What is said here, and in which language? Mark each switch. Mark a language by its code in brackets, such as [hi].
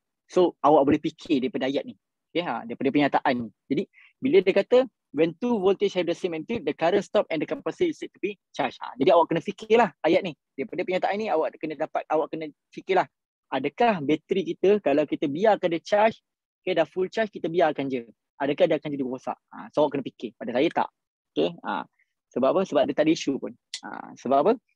[ms] So awak boleh fikir daripada ayat ni. Okay, daripada penyataan ni. Jadi bila dia kata [en] when two voltage have the same magnitude, the current stop and the capacitor is said to be charged. [ms] Jadi awak kena fikirlah ayat ni. Daripada penyataan ni awak kena fikirlah. Adakah bateri kita kalau kita biarkan dia charge, okay, dah full charge kita biarkan je, adakah dia akan jadi rosak? So awak kena fikir. Pada saya tak. Okay. Sebab apa? Sebab dia tak ada isu pun. Sebab apa?